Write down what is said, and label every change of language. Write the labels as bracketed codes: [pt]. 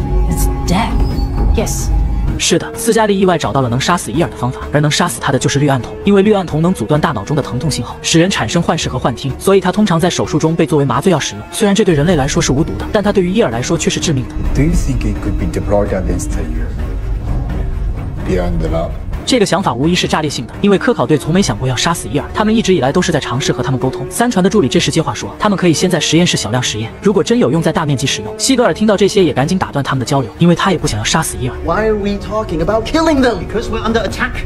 [en] It's dead. Yes. [zh] 是的，斯嘉丽意外找到了能杀死伊尔的方法，而能杀死他的就是氯胺酮，因为氯胺酮能阻断大脑中的疼痛信号，使人产生幻视和幻听，所以他通常在手术中被作为麻醉药使用。虽然这对人类来说是无毒的，但他对于伊尔来说却是致命的。 [en] Do you think it could be deployed against you beyond the lab? [zh] 这个想法无疑是炸裂性的，因为科考队从没想过要杀死伊尔，他们一直以来都是在尝试和他们沟通。三船的助理这时接话说，他们可以先在实验室小量实验，如果真有用再大面积使用。希格尔听到这些也赶紧打断他们的交流，因为他也不想要杀死伊尔。 [en] Why are we talking about killing them? Because we're under attack.